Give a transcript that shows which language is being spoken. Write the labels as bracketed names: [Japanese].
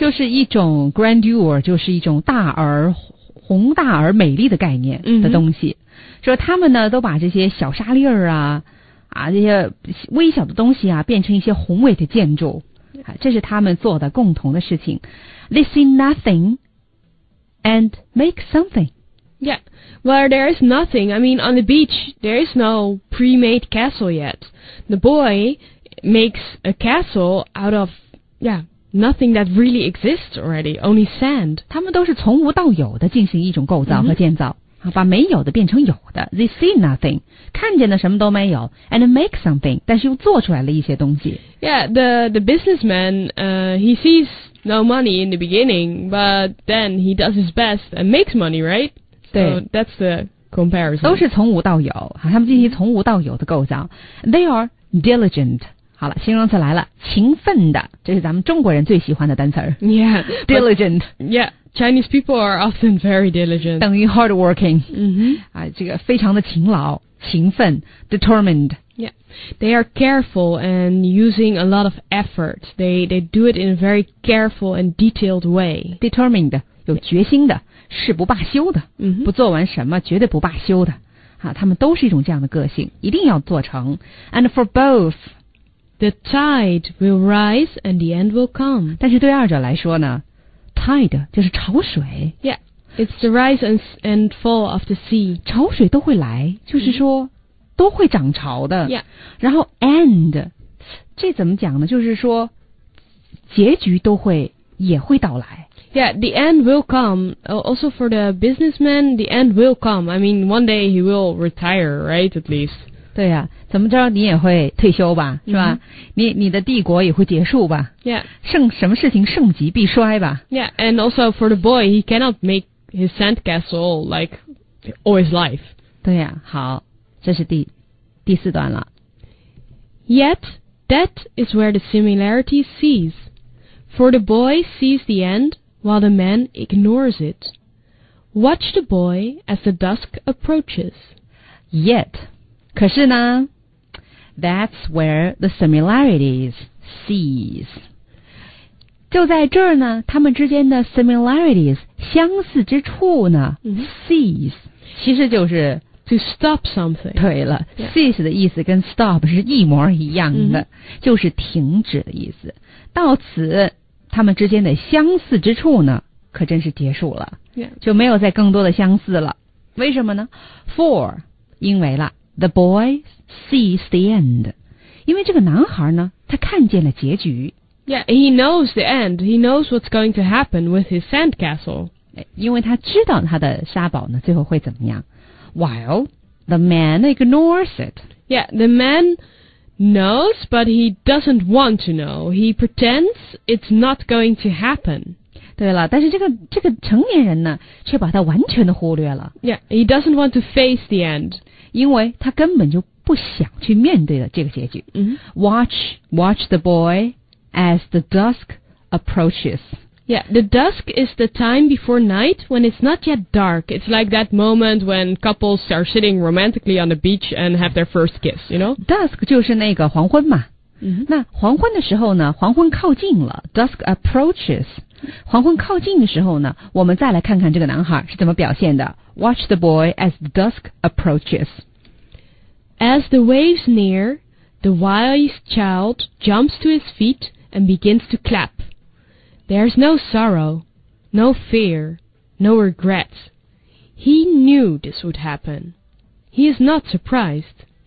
[Chinese] 就是一种 grandeur， 就是一种大而宏大而美丽的概念的东西。说他们呢都把这些小沙粒儿啊这些微小的东西啊变成一些宏伟的建筑。这是他们做的共同的事情。 [English] They see nothing and make something. Yeah, well, there is nothing. I mean, on the beach, there is no pre-made castle yet. The boy makes a castle out of, yeah,Nothing that really exists already, only sand. [Chinese] 他们都是从无到有的进行一种构造和建造、把没有的变成有的。 [English] They see nothing. [Chinese] 看见的什么都没有。 [English] And make something. [Chinese] 但是又做出来了一些东西。 [English] Yeah, the businessman, he sees no money in the beginning, but then he does his best and makes money, right? So that's the comparison. [Chinese] 都是从无到有。他们进行从无到有的构造。 [English] They are diligent. [Chinese] 好了，形容词来了，勤奋的，这是咱们中国人最喜欢的单词。 [English] Yeah, diligent. Yeah, Chinese people are often very diligent. [Chinese] 等于 hardworking. 这个非常的勤劳，勤奋 ，determined. [English] Yeah, they are careful and using a lot of effort. They do it in a very careful and detailed way. [Chinese] Determined, 有决心的，誓不罢休的，不做完什么绝对不罢休的。他们都是一种这样的个性，一定要做成。 [English] And for both. The tide will rise and the end will come. [Chinese] 但是对二者来说呢 ，tide 就是潮水。 [English] Yeah, it's the rise and fall of the sea. [Chinese] 潮水都会来，就是说都会涨潮的。 [English] Yeah. [Chinese] 然后 end， 这怎么讲呢？就是说结局都会也会到来。 [English] Yeah, the end will come. Also for the businessman, the end will come. I mean, one day he will retire, right? At least. [Chinese] 对呀、怎么着你也会退休吧是吧、你的帝国也会结束吧 [English] Yeah. [Chinese] 什么事情盛极必衰吧 [English] Yeah, and also for the boy, he cannot make his sandcastle like all his life. [Chinese] 对呀好这是第四段了。 [English] Yet, that is where the similarity cease. For the boy sees the end, while the man ignores it. Watch the boy as the dusk approaches. Yet, [Chinese] 可是呢 [English] ，That's where the similarities cease. [Chinese] 就在这儿呢，他们之间的 similarities 相似之处呢 ，cease 其实就是 [English] to stop something. [Chinese] 对了、cease 的意思跟 stop 是一模一样的，就是停止的意思。到此，他们之间的相似之处呢，可真是结束了， [English] yeah. [Chinese] 就没有再更多的相似了。为什么呢 ？For 因为了。 [English] The boy sees the end. [Chinese] 因为这个男孩呢，他看见了结局。 [English] Yeah, he knows the end. He knows what's going to happen with his sandcastle. [Chinese] 因为他知道他的沙堡呢，最后会怎么样。 [English] While the man ignores it. Yeah, the man knows, but he doesn't want to know. He pretends it's not going to happen. [Chinese] 对了，但是这个成年人呢，却把他完全的忽略了。 [English] Yeah, he doesn't want to face the end. [Chinese] 因为他根本就不想去面对了这个结局。 [English] Watch the boy as the dusk approaches. Yeah, the dusk is the time before night when it's not yet dark. It's like that moment when couples are sitting romantically on the beach and have their first kiss, you know? [Chinese] Dusk 就是那个黄昏嘛。那黄昏的时候呢，黄昏靠近了 , [English] dusk approaches. [Chinese] 黄昏靠近的时候呢，我们再来看看这个男孩是怎么表现的。 [English] Watch the boy as the dusk approaches. As the waves near, the wise child jumps to his feet and begins to clap. There's no sorrow, no fear, no regret. He knew this would happen. He is not surprised.